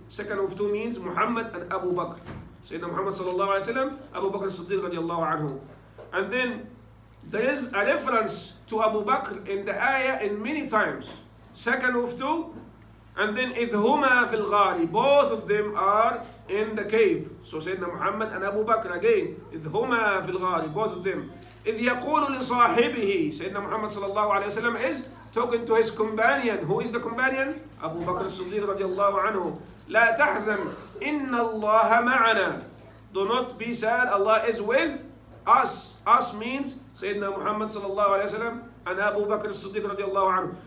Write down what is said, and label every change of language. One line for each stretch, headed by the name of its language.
English: Second of two means Muhammad and Abu Bakr. Sayyidina Muhammad sallallahu alayhi wa sallam, Abu Bakr al-Siddiq radiallahu anhu. And then there is a reference to Abu Bakr in the ayah in many times. Second of two. And then
Arabic: إِذْ هُمَا فِي الْغَارِ,
English: both of them are in the cave. So Sayyidina Muhammad and Abu Bakr again.
Arabic: إِذْ هُمَا فِي الْغَارِ,
English: both of them.
Arabic: إِذْ يَقُولُ لِصَاحِبِهِ,
English: Sayyidina Muhammad sallallahu alayhi wa sallam is talking to his companion. Who is the companion? Abu Bakr al-Siddiq radiallahu anhu.
Arabic: لَا تَحْزَنْ إِنَّ اللَّهَ مَعَنَا.
English: Do not be sad, Allah is with us. Us means Sayyidina Muhammad sallallahu alayhi wa sallam and Abu Bakr al-Siddiq radiallahu anhu.